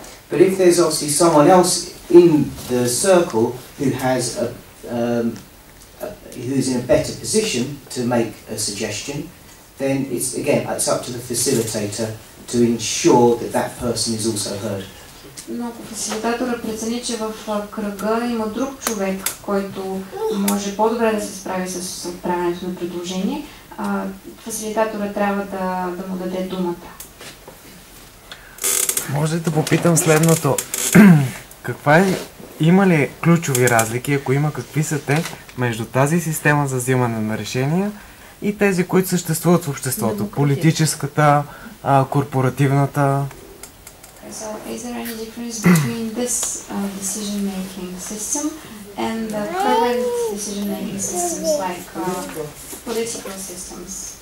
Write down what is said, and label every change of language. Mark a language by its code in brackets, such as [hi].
[en] But if there's obviously someone else in the circle who has who's in a better position to make a suggestion, then it's again it's up to the facilitator to ensure that that person is also heard. [bg] Но ако фасилитаторът прецени, че в кръга има друг човек, който може по-добре да се справи с отправянето на предложение, фасилитаторът трябва да му даде думата. Може да попитам следното. Има ли ключови разлики, ако има, какви са те между тази система за взимане на решения и тези, които съществуват в обществото? Политическата, корпоративната. [en] So, is there any difference between this decision-making system and the current decision-making systems, like political systems?